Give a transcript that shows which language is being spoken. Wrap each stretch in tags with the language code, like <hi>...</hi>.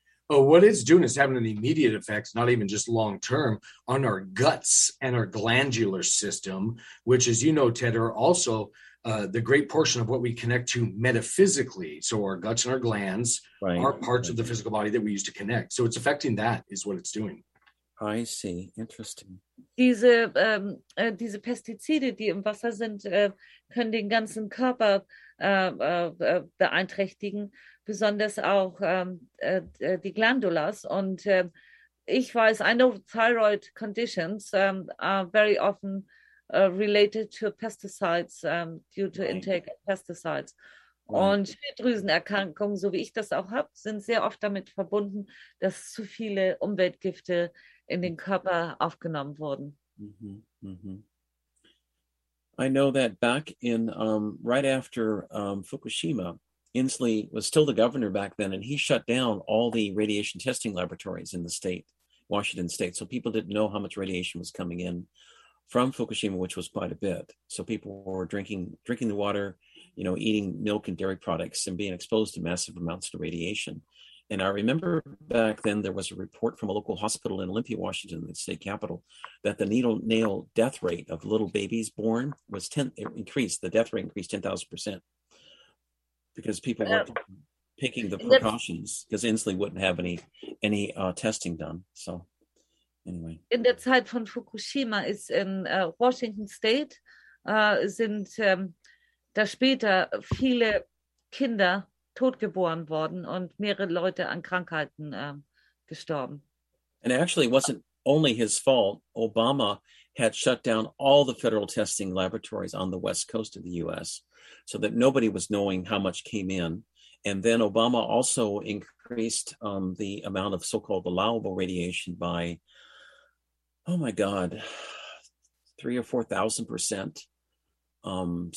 <en>Oh, what it's doing is having an immediate effect, not even just long term, on our guts and our glandular system, which, as you know, Ted, are also the great portion of what we connect to metaphysically. So our guts and our glands are parts of the physical body that we use to connect. So it's affecting that is what it's doing. I see. Interesting.</en> <de>Diese Pestizide, die im Wasser sind, können den ganzen Körper beeinträchtigen, besonders auch die Glandulas. Und ich weiß,</de> <en>I know thyroid conditions are very often related to pesticides due to intake of pesticides.</en> <de>Und Schilddrüsenerkrankungen, so wie ich das auch habe, sind sehr oft damit verbunden, dass zu viele Umweltgifte in den Körper aufgenommen wurden.</de> <en>I know that back in right after Fukushima, Inslee was still the governor back then, and he shut down all the radiation testing laboratories in the state, Washington state, so people didn't know how much radiation was coming in from Fukushima, which was quite a bit. So people were drinking the water, you know, eating milk and dairy products and being exposed to massive amounts of radiation. And I remember back then there was a report from a local hospital in Olympia, Washington, the state capital, that the neonatal death rate of little babies born was increased 10,000% because people were taking the precautions because Inslee wouldn't have any testing done. So anyway.</en> <de>In der Zeit von Fukushima ist in Washington State sind da später viele Kinder totgeboren worden und mehrere Leute an Krankheiten gestorben.</de> <en>And actually, it wasn't only his fault. Obama had shut down all the federal testing laboratories on the west coast of the U.S. so that nobody was knowing how much came in. And then Obama also increased the amount of so-called allowable radiation by, oh my God, 3,000 or 4,000%.</en>